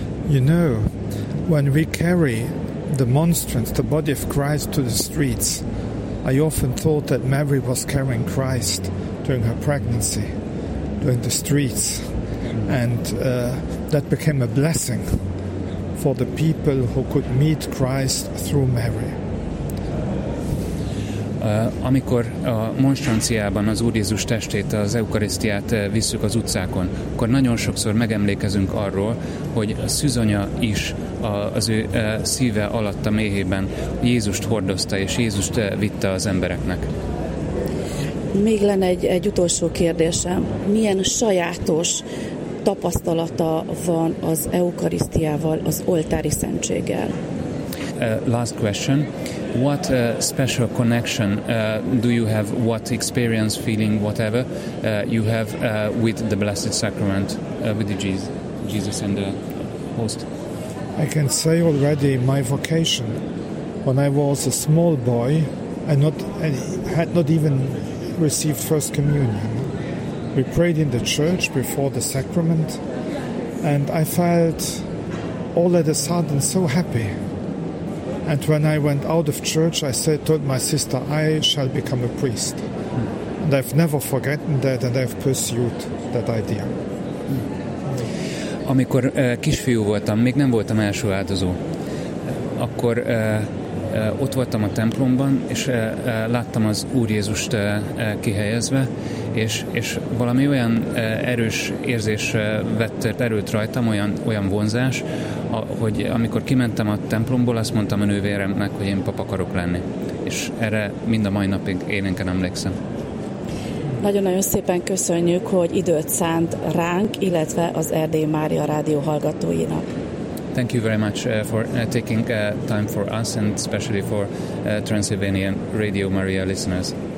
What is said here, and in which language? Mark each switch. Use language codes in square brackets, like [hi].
[en] You know, when we carry the monstrance, the body of Christ, to the streets, I often thought that Mary was carrying Christ during her pregnancy, during the streets, and that became a blessing for the people who could meet Christ through Mary. [hu] Amikor a monstranciában az Úr Jézus testét, az eukarisztiát visszük az utcákon, akkor nagyon sokszor megemlékezünk arról, hogy a szűzanya is az ő szíve alatt a méhében Jézust hordozta, és Jézust vitte az embereknek. Még lenne egy utolsó kérdésem. Milyen sajátos tapasztalata van az eukarisztiával, az oltári szentséggel? [en] Last question. What special connection do you have, what experience, feeling, whatever you have with the Blessed Sacrament, with the Jesus and the host? I can say already my vocation. When I was a small boy, I had not even received First Communion. We prayed in the church before the sacrament, and I felt all of a sudden so happy. And when I went out of church, I said to my sister, I shall become a priest. And I've never forgotten that, and I've pursued that idea. [hu] Amikor kisfiú voltam, még nem voltam első áldozó, akkor ott voltam a templomban, és láttam az Úr Jézust kihelyezve, és valami olyan erős érzés vett erőt rajtam, olyan vonzás, hogy amikor kimentem a templomból, azt mondtam a nővéremnek, hogy én pap akarok lenni. És erre mind a mai napig élénken emlékszem. Nagyon-nagyon szépen köszönjük, hogy időt szánt ránk, illetve az Erdély Mária Rádió hallgatóinak. [en] Thank you very much for taking time for us and especially for Transylvania Radio Maria listeners.